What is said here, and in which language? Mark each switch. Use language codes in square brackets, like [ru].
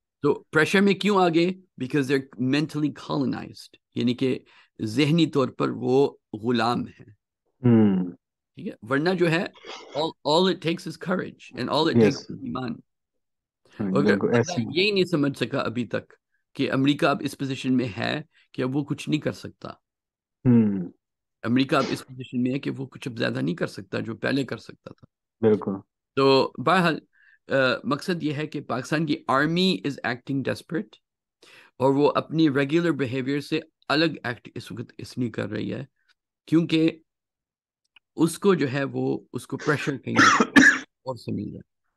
[ur] تو پریشر میں کیوں آگے؟ [en] because they are mentally colonised, [ur] یعنی کہ ذہنی طور پر وہ غلام ہیں، ٹھیک ہے. ورنہ جو ہے [en] all it takes is courage and all it takes is ایمان. [ur] اگر یہی نہیں سمجھ سکا ابھی تک کہ امریکہ اب اس پوزیشن میں ہے کہ اب وہ کچھ نہیں کر سکتا، امریکہ اب اس پوزیشن میں ہے کہ وہ کچھ اب زیادہ نہیں کر سکتا جو پہلے کر سکتا تھا. بالکل. تو بہرحال مقصد یہ ہے کہ پاکستان کی آرمی [en] is acting desperate, [ur] اور وہ اپنی ریگولر بیہیویئر سے الگ ایکٹ اس وقت اس لیے کر رہی ہے کیونکہ اس کو جو ہے وہ اس کو پریشر کہیں گے اور سے مل رہا ہے.